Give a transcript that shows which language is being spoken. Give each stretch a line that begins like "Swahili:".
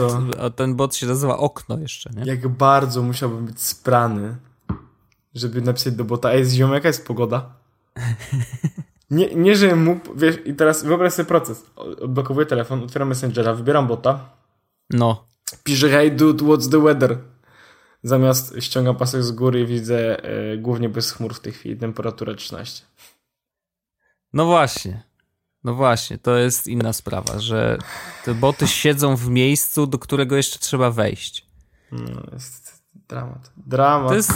Polish: Taki bot, a ten bot się nazywa Okno jeszcze, nie? Jak bardzo musiałbym być sprany, żeby napisać do bota, ej, ziom, jaka jest pogoda? Nie, nie, żebym mógł, wiesz, i teraz wyobraź sobie proces. Odblokowuję telefon, otwieram Messengera, wybieram bota. No. Piszę,
English: hey dude, what's the weather?
Polish: Zamiast ściągam pasek z góry i widzę głównie bez chmur w tej chwili, temperatura 13. No właśnie. No właśnie, to jest inna sprawa, że te boty siedzą w miejscu, do którego jeszcze trzeba wejść. No, jest dramat. Dramat.